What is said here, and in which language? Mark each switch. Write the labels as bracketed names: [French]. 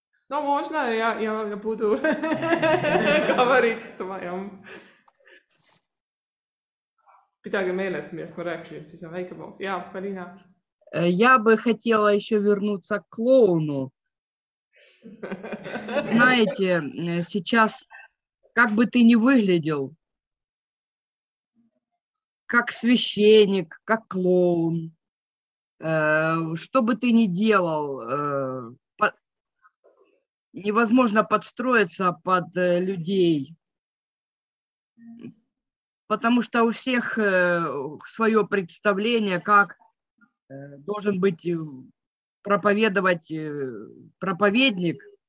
[Russian] No, можно, я буду говорить с моим. [Estonian] Pidage meeles, millest ma rääkin, siis on väike paus. Jaa, Kalina. [Russian] Я бы хотела еще вернуться к клоуну. Знаете, сейчас, как бы ты ни выглядел, как священник, как клоун, что бы ты ни делал, невозможно подстроиться под людей, потому что у всех свое представление, как должен быть проповедовать проповедник.